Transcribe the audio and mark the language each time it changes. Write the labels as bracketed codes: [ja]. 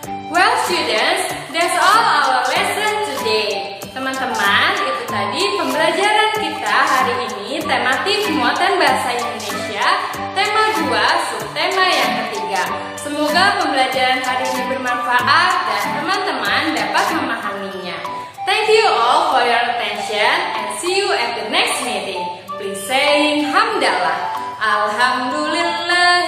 [en] Well students, that's all our lesson today. [id] Teman-teman, itu tadi pembelajaran kita hari ini tematik muatan bahasa Indonesia, tema 2, subtema yang ketiga. Semoga pembelajaran hari ini bermanfaat dan teman-teman dapat memahaminya. [en] Thank you all for your attention and see you at the next meeting. Please say hamdalah. Alhamdulillah.